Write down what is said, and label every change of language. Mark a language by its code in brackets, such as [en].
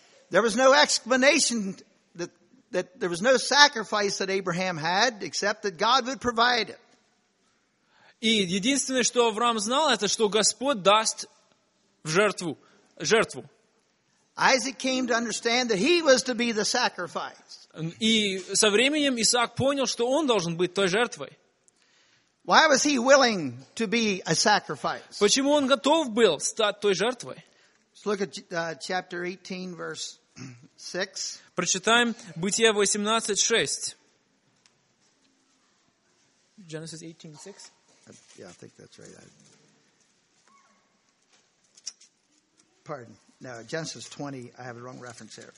[en] There was no explanation that there was no sacrifice that Abraham had except that God would provide it. [ru] И единственное, что Авраам знал, это что Господь даст в жертву. [en] Isaac came to understand that he was to be the sacrifice. [ru] И со временем Исаак понял, что он должен быть той жертвой. [en] Why was he willing to be a sacrifice? [ru] Почему он готов был стать той жертвой? [en] Let's look at chapter 18, verse 6. [ru] Прочитаем Бытие 18:6. [en] Genesis 18:6. Yeah, I think that's right. Pardon. No, Genesis 20. I have the wrong reference here.